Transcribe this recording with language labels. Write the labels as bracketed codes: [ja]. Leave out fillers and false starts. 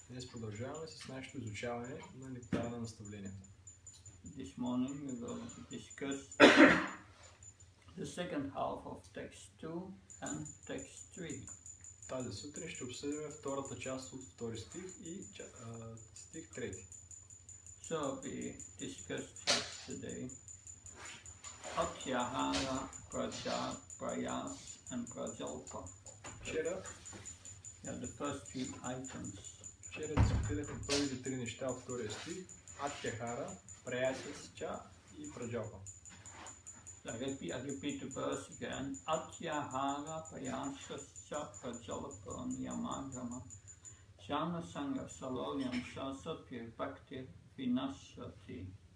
[bg] Днес продължаваме с нашето изучаване на нектара на наставлението. [en] This morning we will discuss the second half of text 2 and text 3. [bg] Тази сутрин ще обсъдим втората част от втори стих и стих 3. [en] So we discussed yesterday Pratyahara, Praja, Prayas and Prajalpa. [bg] Вчера [en] the first three items. [bg] Вчера обсъдихме първите три неща от втория стих. Атяхара, Праяс, Ча и Праджалпа. [en] I repeat the verse again. [sa] Atyahara payasascha prajalapam yamagama jana sangha salolyam shasatir bhaktir vinashati.